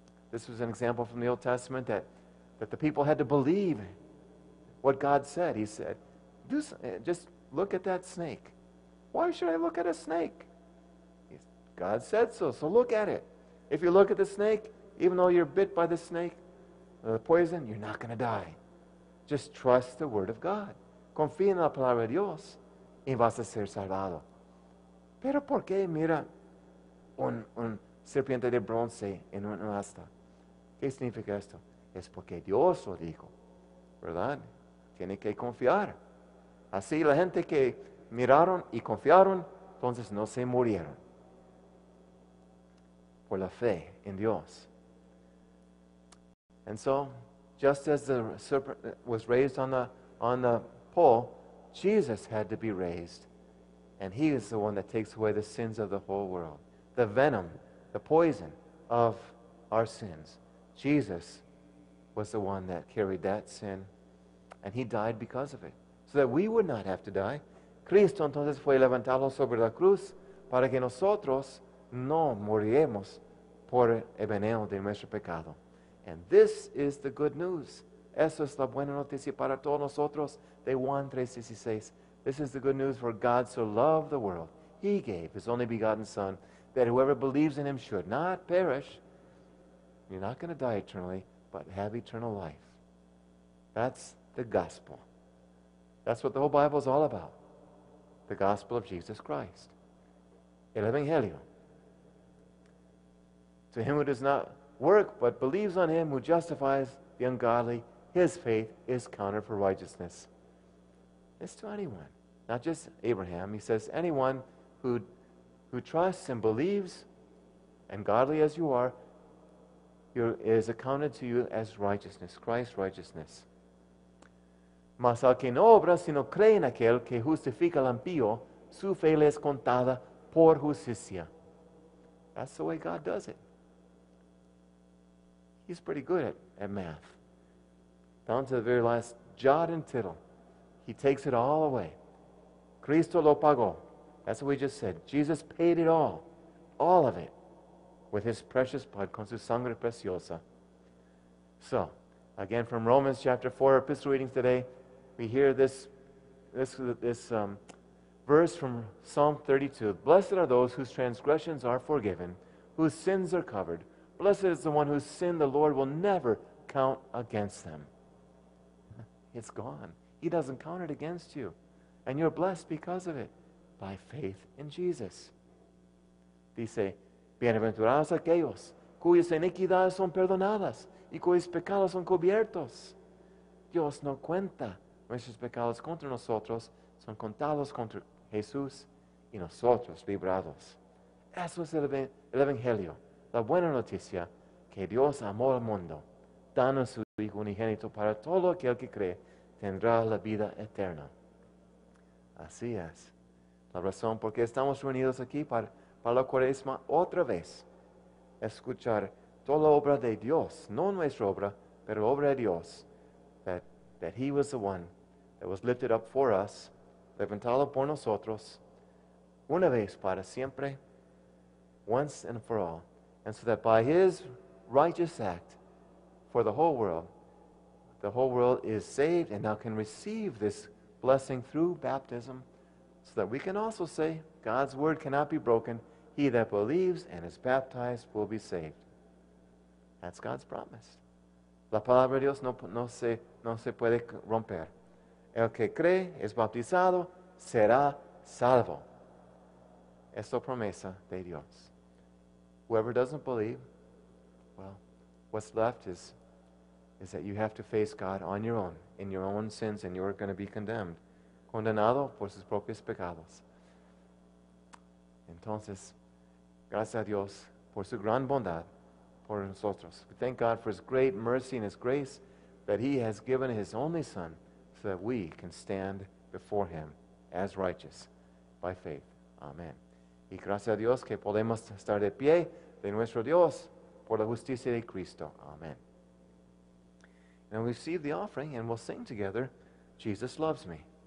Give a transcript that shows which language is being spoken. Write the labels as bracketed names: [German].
[English] This was an example from the Old Testament that the people had to believe what God said. He said, just look at that snake. Why should I look at a snake? God said so look at it. If you look at the snake, even though you're bit by the snake, the poison, you're not going to die. Just trust the word of God. [Spanish] Confía en la palabra de Dios y vas a ser salvado. Pero ¿por qué mira un serpiente de bronce en un asta? ¿Qué significa esto? Es porque Dios lo dijo, ¿verdad? Tiene que confiar. Así la gente que miraron y confiaron, entonces no se murieron. Por la fe en Dios. [English] And so, just as the serpent was raised on the pole, Jesus had to be raised. And he is the one that takes away the sins of the whole world. The venom, the poison of our sins. Jesus was the one that carried that sin. And he died because of it. So that we would not have to die. [Spanish] Cristo entonces fue levantado sobre la cruz para que nosotros no muriéramos por el veneno de nuestro pecado. [English] And this is the good news. [Spanish] Eso es la buena noticia para todos nosotros de Juan 3:16. [English] This is the good news, for God so loved the world. He gave his only begotten Son, that whoever believes in him should not perish. You're not going to die eternally, but have eternal life. That's the gospel. That's what the whole Bible is all about. The gospel of Jesus Christ. El Evangelio. To him who does not work, but believes on him who justifies the ungodly, his faith is counted for righteousness. It's to anyone. Not just Abraham. He says, anyone who trusts and believes, and godly as you are, is accounted to you as righteousness, Christ's righteousness. [Spanish] Mas al que no obra, sino cree en aquel que justifica al impío, su fe le es contada por justicia. [English] That's the way God does it. He's pretty good at math. Down to the very last jot and tittle. He takes it all away. [Spanish] Cristo lo pagó. [English] That's what we just said. Jesus paid it all. All of it. With his precious blood. [Spanish] Con su sangre preciosa. [English] So, again from Romans chapter 4, epistle readings today, we hear this verse from Psalm 32. Blessed are those whose transgressions are forgiven, whose sins are covered. Blessed is the one whose sin the Lord will never count against them. It's gone. He doesn't count it against you. And you're blessed because of it, by faith in Jesus. [Spanish] Dice, bienaventurados aquellos cuyas iniquidades son perdonadas y cuyos pecados son cubiertos. Dios no cuenta nuestros pecados contra nosotros, son contados contra Jesús y nosotros librados. Eso es el Evangelio. la buena noticia que Dios amó al mundo, dando su Hijo unigénito para todo aquel que cree tendrá la vida eterna. Así es la razón por qué estamos reunidos aquí para la cuaresma otra vez. Escuchar toda la obra de Dios, no nuestra obra, pero obra de Dios. [English] That He was the one that was lifted up for us, [Spanish] levantado por nosotros, una vez para siempre, [English] once and for all. And so that by His righteous act for the whole world is saved and now can receive this blessing through baptism, so that we can also say, God's word cannot be broken, he that believes and is baptized will be saved. That's God's promise. [Spanish] La palabra de Dios no se puede romper. El que cree, es bautizado, será salvo. Es la promesa de Dios. [English] Whoever doesn't believe, well, what's left is that you have to face God on your own, in your own sins, and you're going to be condemned. [Spanish] Condenado por sus propios pecados. Entonces, gracias a Dios por su gran bondad por nosotros. [English] We thank God for His great mercy and His grace that He has given His only Son so that we can stand before Him as righteous by faith. Amen. [Spanish] Y gracias a Dios que podemos estar de pie de nuestro Dios por la justicia de Cristo. Amen. [English] Now we receive the offering and we'll sing together, Jesus Loves Me.